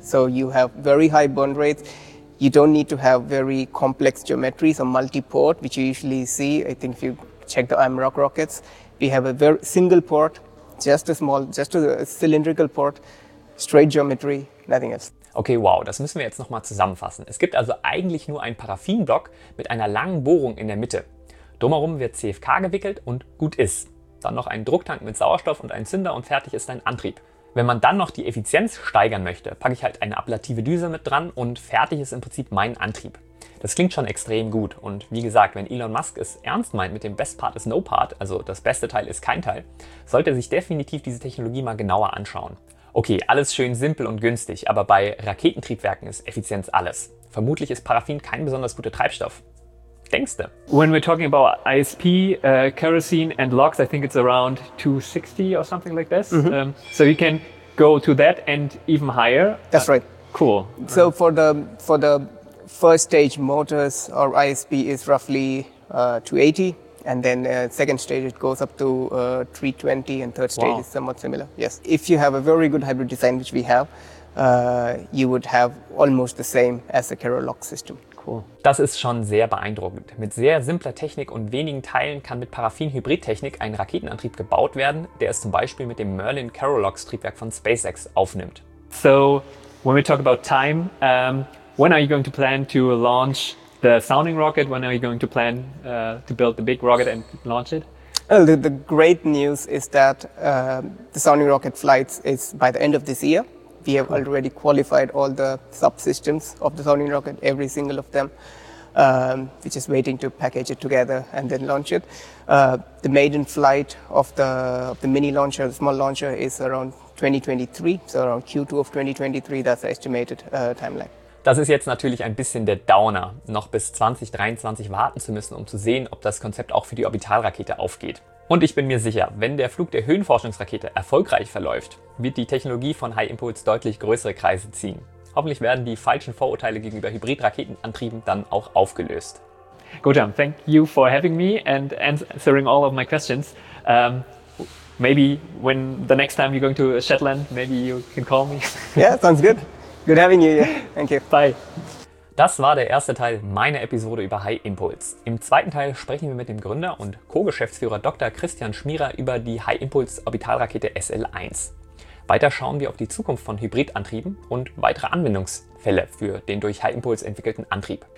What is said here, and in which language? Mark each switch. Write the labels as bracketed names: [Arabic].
[English] So you have very high burn rates. You don't need to have very complex geometries or multi-port, which you usually see. I think if you check the Amarok rockets, we have a very single port, just a cylindrical port, straight geometry, nothing else. [German] Okay, wow, das müssen wir jetzt nochmal zusammenfassen. Es gibt also eigentlich nur einen Paraffinblock mit einer langen Bohrung in der Mitte. Drumherum wird CFK gewickelt und gut ist. Dann noch ein Drucktank mit Sauerstoff und ein Zünder und fertig ist ein Antrieb. Wenn man dann noch die Effizienz steigern möchte, packe ich halt eine ablative Düse mit dran und fertig ist im Prinzip mein Antrieb. Das klingt schon extrem gut und wie gesagt, wenn Elon Musk es ernst meint mit dem [English] Best Part is No Part, [German] also das beste Teil ist kein Teil, sollte er sich definitiv diese Technologie mal genauer anschauen. Okay, alles schön simpel und günstig, aber bei Raketentriebwerken ist Effizienz alles. Vermutlich ist Paraffin kein besonders guter Treibstoff. [English] When we're talking about ISP, kerosene and LOX, I think it's around 260 or something like this. Mm-hmm. So you can go to that and even higher. That's right. Cool. So for the first stage motors or ISP is roughly 280, and then second stage it goes up to 320, and third stage is somewhat similar. Yes. If you have a very good hybrid design, which we have, you would have almost the same as the Carol lock system. [German] Cool. Das ist schon sehr beeindruckend. Mit sehr simpler Technik und wenigen Teilen kann mit Paraffin-Hybrid-Technik ein Raketenantrieb gebaut werden, der es zum Beispiel mit dem Merlin Carol lock Triebwerk von SpaceX aufnimmt. [English] So, when we talk about time, when are you going to plan to launch the sounding rocket? When are you going to plan to build the big rocket and launch it? Well, the great news is that the sounding rocket flights is by the end of this year. We have already qualified all the subsystems of the sounding rocket, every single of them. We're just waiting to package it together and then launch it. The maiden flight of the mini launcher, the small launcher, is around 2023. So around Q2 of 2023, that's the estimated timeline. [German] Das ist jetzt natürlich ein bisschen der Downer, noch bis 2023 warten zu müssen, um zu sehen, ob das Konzept auch für die Orbitalrakete aufgeht. Und ich bin mir sicher, wenn der Flug der Höhenforschungsrakete erfolgreich verläuft, wird die Technologie von High Impulse deutlich größere Kreise ziehen. Hoffentlich werden die falschen Vorurteile gegenüber Hybridraketenantrieben dann auch aufgelöst. [English] Gautam, thank you for having me and answering all of my questions. Maybe when the next time you're going to Shetland, maybe you can call me. Yeah, sounds good. Good having you. Thank you. Bye. [German] Das war der erste Teil meiner Episode über High Impulse. Im zweiten Teil sprechen wir mit dem Gründer und Co-Geschäftsführer Dr. Christian Schmierer über die High Impulse Orbitalrakete SL1. Weiter schauen wir auf die Zukunft von Hybridantrieben und weitere Anwendungsfälle für den durch High Impulse entwickelten Antrieb.